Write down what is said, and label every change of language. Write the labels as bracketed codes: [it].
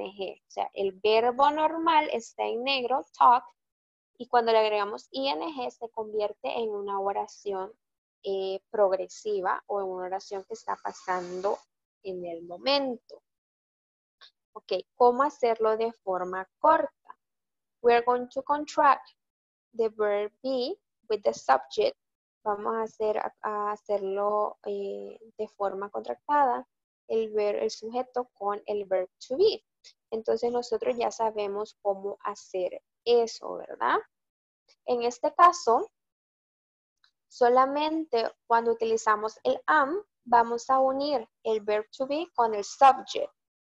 [es] O sea, el verbo normal está en negro, talk, y cuando le agregamos ing se convierte en una oración progresiva o en una oración que está pasando en el momento. Ok, ¿cómo hacerlo de forma corta? [en] We're going to contract the verb be with the subject. [es] Vamos a hacerlo de forma contractada, el sujeto con el verb to be. Entonces nosotros ya sabemos cómo hacer eso, ¿verdad? En este caso, solamente cuando utilizamos el am, vamos a unir el verb to be con el subject.